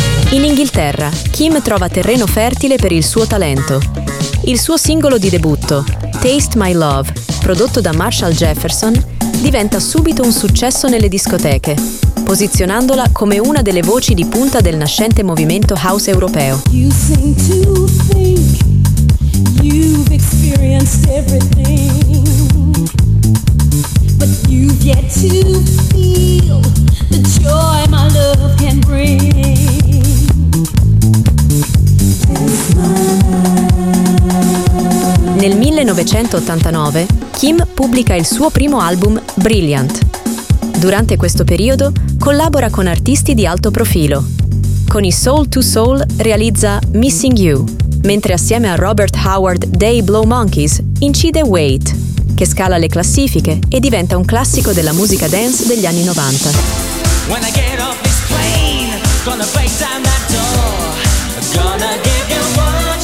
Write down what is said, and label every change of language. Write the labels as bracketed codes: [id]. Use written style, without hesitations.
[it] In Inghilterra, Kim trova terreno fertile per il suo talento. Il suo singolo di debutto, Taste My Love, prodotto da Marshall Jefferson, diventa subito un successo nelle discoteche, posizionandola come una delle voci di punta del nascente movimento house europeo. [en] You seem to think you've experienced everything, but you've yet to feel the joy my love can bring. [it] Nel 1989, Kim pubblica il suo primo album, Brilliant. Durante questo periodo, collabora con artisti di alto profilo. Con i Soul to Soul realizza Missing You, mentre assieme a Robert Howard dei Blow Monkeys incide Wait, che scala le classifiche e diventa un classico della musica dance degli anni 90. [en] When I get off this plane, gonna break down that door, gonna give you one.